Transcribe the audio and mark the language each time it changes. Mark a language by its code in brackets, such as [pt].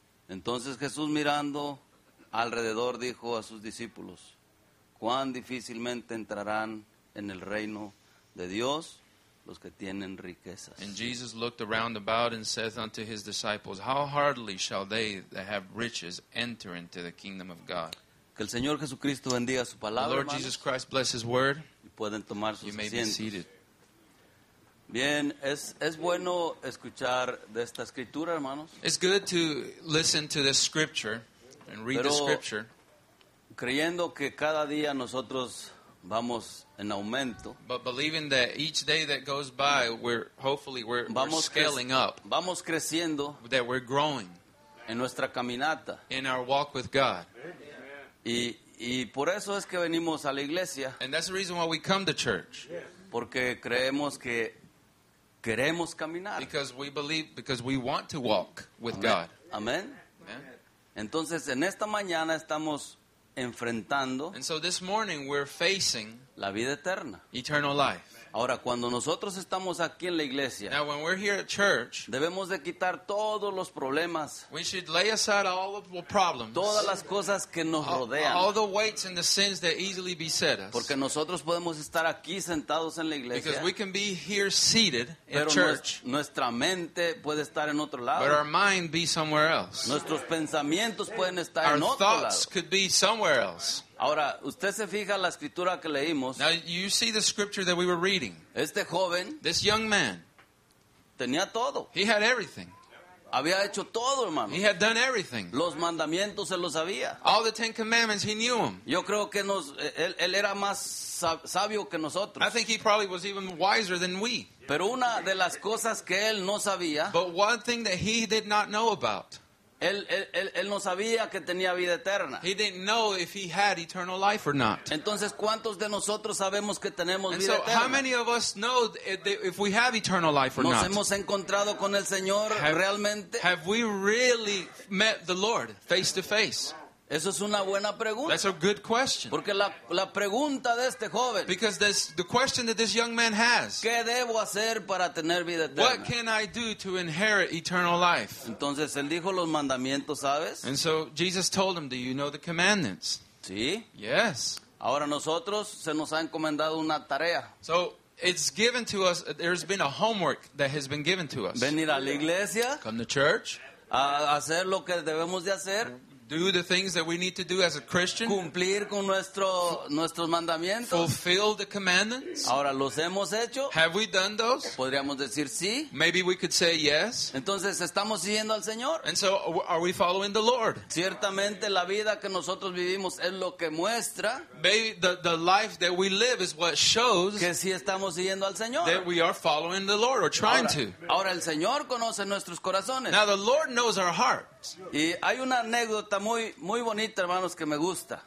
[es] Entonces Jesús mirando alrededor dijo a sus discípulos, ¿cuán difícilmente entrarán en el reino de Dios los que tienen riquezas. [en] And Jesus looked around about and saith unto his disciples, how hardly shall they that have riches enter into the kingdom of God? [es] Que el Señor Jesucristo bendiga su palabra, [en] the Lord [es] hermanos. [en] Jesus Christ bless his word. [es] Y pueden tomar sus [en] you may [es] asientos. [en] Be seated. [es] Bien, es bueno escuchar de esta escritura, hermanos. [en] It's good to listen to this scripture and read [es] Pero, [en] the scripture. [es] Creyendo que cada día nosotros vamos en aumento. [en] But believing that each day that goes by, we're scaling up. [es] Vamos creciendo. [en] That we're growing. [es] En nuestra caminata. [en] In our walk with God. [es] Y por eso es que venimos a la iglesia. [en] And that's the reason why we come to church. [es] Porque creemos que queremos caminar. [en] Because we believe, because we want to walk with God. [es] Amen. Entonces, en esta mañana estamos enfrentando. [en] And so this morning we're facing [es] la vida eterna. [en] Eternal life. [es] Ahora, cuando nosotros estamos aquí en la iglesia, [en] now, when we're here at church, [es] debemos de quitar todos los problemas, [en] we should lay aside all of the problems, [es] todas las cosas que nos rodean, [en] all the weights and the sins that easily beset us. [es] Porque nosotros podemos estar aquí sentados en la iglesia, [en] because we can be here seated in church, [es] pero nuestra mente puede estar en otro lado, [en] but our mind be somewhere else. [es] Nuestros pensamientos pueden estar [en] our [es] en otro [en] thoughts [es] lado. [en] Could be somewhere else. [es] Ahora, usted se fija la escritura que leímos. [en] Now, you see the scripture that we were reading. [es] Este joven, [en] this young man, [es] tenía todo. [en] He had everything. [es] Había hecho todo, hermano. [en] He had done everything. [es] Los mandamientos se los sabía. [en] All the Ten Commandments, he knew them. [es] Yo creo que él era más sabio que nosotros. [en] I think he probably was even wiser than we. [es] Pero una de las cosas que él no sabía. [en] But one thing that he did not know about. [es] Él no sabía que tenía vida eterna. [en] He didn't know if he had eternal life or not. [es] Entonces, ¿cuántos de nosotros sabemos que tenemos [en] and [es] vida [en] so [es] eterna? [en] How many of us know if we have eternal life or [es] nos [en] not? [es] Nos hemos encontrado con el Señor realmente. [en] Have we really met the Lord face to face? [es] Eso es una buena pregunta. [en] That's a good question. [es] Porque la pregunta de este joven. [en] Because the question that this young man has. [es] ¿Qué debo hacer para tener vida eterna? [en] What can I do to inherit eternal life? [es] Entonces él dijo los mandamientos, ¿sabes? [en] And so Jesus told him, do you know the commandments? [es] Sí. [en] Yes. [es] Ahora nosotros se nos ha encomendado una tarea. [en] So it's given to us, there's been a homework that has been given to us. [es] Venir a la iglesia. [en] Come to church. [es] A hacer lo que debemos de hacer. [en] Do the things that we need to do as a Christian. [es] Cumplir con nuestros mandamientos. [en] Fulfill the commandments. [es] Ahora, ¿los hemos hecho? [en] Have we done those? [es] Podríamos decir sí. [en] Maybe we could say yes. [es] Entonces, ¿estamos siguiendo al Señor? [en] And so, are we following the Lord? [es] Ciertamente, la vida que nosotros vivimos es lo que muestra. [en] Maybe the life that we live is what shows [es] que sí estamos siguiendo al Señor. [en] That we are following the Lord or trying to. [es] Ahora, el Señor conoce nuestros corazones. [en] Now, the Lord knows our heart. [es] Y hay una anécdota muy muy bonita, hermanos, que me gusta.